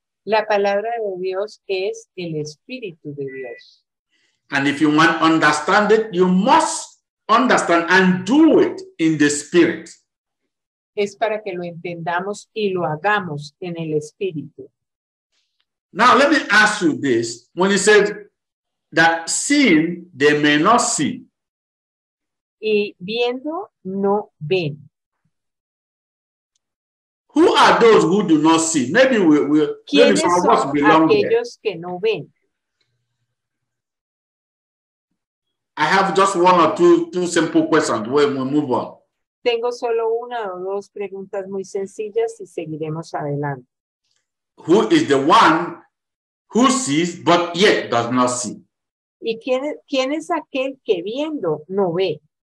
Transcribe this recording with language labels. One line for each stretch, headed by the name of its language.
Spanish: La palabra de Dios es el espíritu de Dios.
English: And if you want to understand it, you must understand and do it in the spirit.
Spanish: Es para que lo entendamos y lo hagamos en el espíritu.
English: Now let me ask you this. When he said that seeing they may not see.
Spanish: Y viendo no ven.
English: Who are those who do not see? Maybe
Spanish: ¿quiénes son aquellos there? Que no ven?
English: I have just one or two simple questions when we move on.
Spanish: Tengo solo una o dos preguntas muy sencillas y seguiremos adelante.
English: Who is the one who sees but yet does not see?
Spanish: ¿Y quién es aquel que viendo no ve?